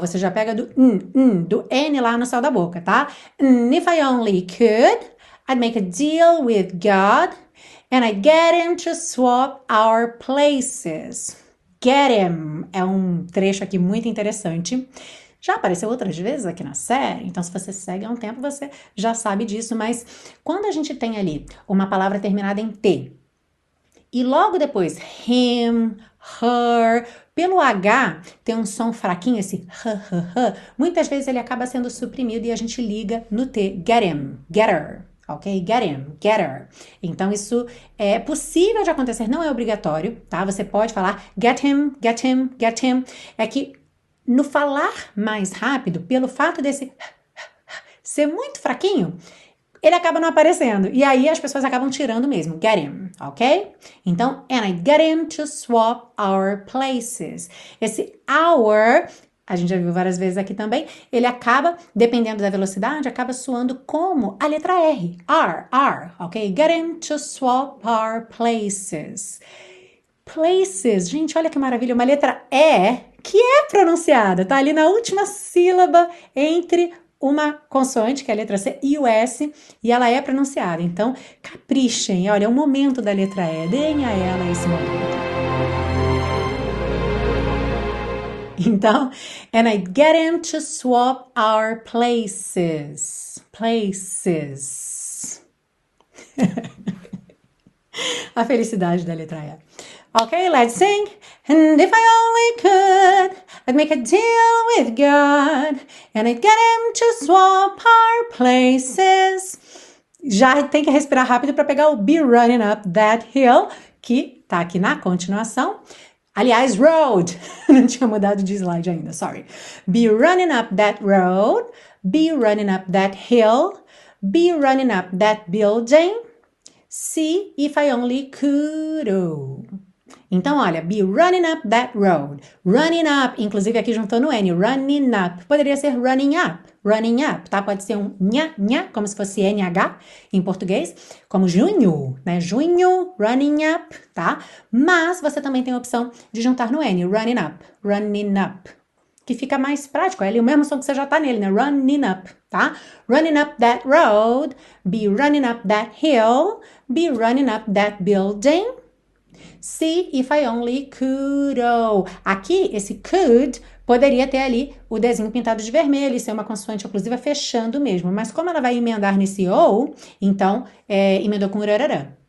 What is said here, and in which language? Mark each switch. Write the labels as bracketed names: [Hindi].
[Portuguese] Você já pega do N lá no céu da boca, tá? [English] And if I only could, I'd make a deal with God and I'd get him to swap our places. Get him [Portuguese] é um trecho aqui muito interessante. Já apareceu outras vezes aqui na série, então se você segue há um tempo, você já sabe disso, mas quando a gente tem ali uma palavra terminada em T, e logo depois him, her, pelo H tem um som fraquinho, esse h, muitas vezes ele acaba sendo suprimido e a gente liga no T, [English] get him, getter, ok? Get him, getter. [Portuguese] Então isso é possível de acontecer, não é obrigatório, tá? Você pode falar [English] get him, get him, get him. [Portuguese] É que no falar mais rápido, pelo fato desse ser muito fraquinho, ele acaba não aparecendo. E aí as pessoas acabam tirando mesmo. [English] Get him, ok? Então, and I get him to swap our places. [Portuguese] Esse our, a gente já viu várias vezes aqui também, ele acaba, dependendo da velocidade, acaba soando como a letra R. R, ok? [English] Get him to swap our places. [Portuguese] Places, gente, olha que maravilha, uma letra E. Que é pronunciada, tá ali na última sílaba entre uma consoante, que é a letra C, e o S, e ela é pronunciada. Então, caprichem, olha, é o momento da letra E, deem a ela esse momento. [English] Então, and I get him to swap our places. Places. [Portuguese] A felicidade da letra E. [English] Ok, let's sing. And if I only could, I'd make a deal with God, and I'd get him to swap our places. [Portuguese] Já tem que respirar rápido para pegar o Be Running Up That Hill, que tá aqui na continuação. Aliás, road. Não tinha mudado de slide ainda, sorry. [English] Be running up that road, be running up that hill, be running up that building, see if I only could. [Portuguese] Então, olha, [English] be running up that road, [Portuguese] running up, inclusive aqui juntou no N, running up, poderia ser running up, running up, tá? Pode ser um nha, nha, como se fosse NH em português, como junho, né? Junho, [English] running up, [Portuguese] tá? Mas você também tem a opção de juntar no N, running up, que fica mais prático, é ali o mesmo som que você já tá nele, né? [English] Running up, tá? Running up that road, be running up that hill, be running up that building. See if I only could. Oh. [Portuguese] Aqui, esse could poderia ter ali o desenho pintado de vermelho, isso é uma consoante oclusiva fechando mesmo. Mas como ela vai emendar nesse ou, então emendou com urarará.